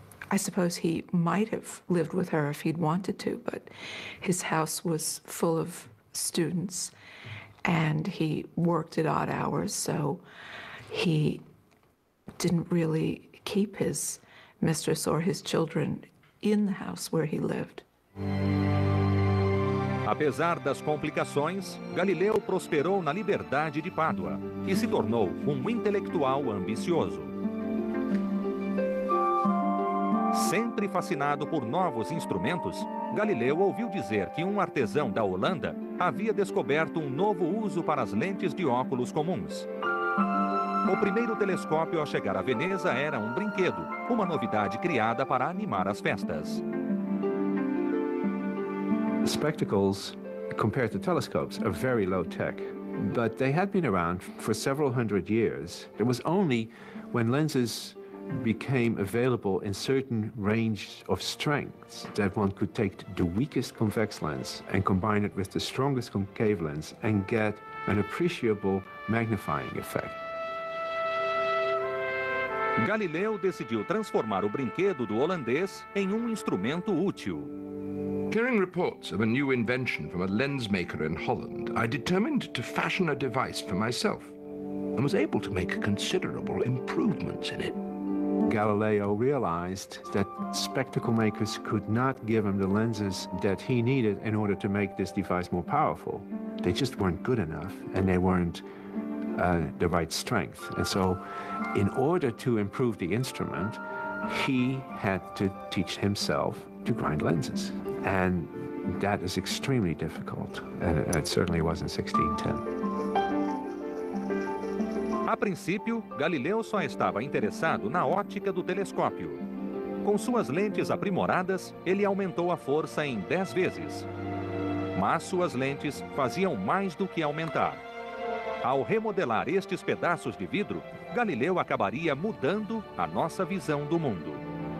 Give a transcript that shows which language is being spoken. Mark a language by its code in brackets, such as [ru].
[en] I suppose he might have lived with her if he'd wanted to, but his house was full of students, and he worked at odd hours, so he didn't really keep his mistress or his children in the house where he lived. [pt] Apesar das complicações, Galileu prosperou na liberdade de Pádua e se tornou um intelectual ambicioso. Sempre fascinado por novos instrumentos, Galileu ouviu dizer que um artesão da Holanda havia descoberto um novo uso para as lentes de óculos comuns. O primeiro telescópio a chegar a Veneza era um brinquedo, uma novidade criada para animar as festas. [en] Spectacles, compared to telescopes, are very low-tech, but they had been around for several hundred years. It was only when lenses became available in certain range of strengths that one could take the weakest convex lens and combine it with the strongest concave lens and get an appreciable magnifying effect. [pt] Galileu decidiu transformar o brinquedo do holandês em um instrumento útil. [en] Hearing reports of a new invention from a lens maker in Holland, I determined to fashion a device for myself and was able to make considerable improvements in it. Galileo realized that spectacle makers could not give him the lenses that he needed in order to make this device more powerful. They just weren't good enough, and they weren't the right strength. And so, in order to improve the instrument, he had to teach himself to grind lenses. And that is extremely difficult, and it certainly was in 1610. [pt] A princípio, Galileu só estava interessado na ótica do telescópio. Com suas lentes aprimoradas, ele aumentou a força em 10 vezes. Mas suas lentes faziam mais do que aumentar. Ao remodelar estes pedaços de vidro, Galileu acabaria mudando a nossa visão do mundo.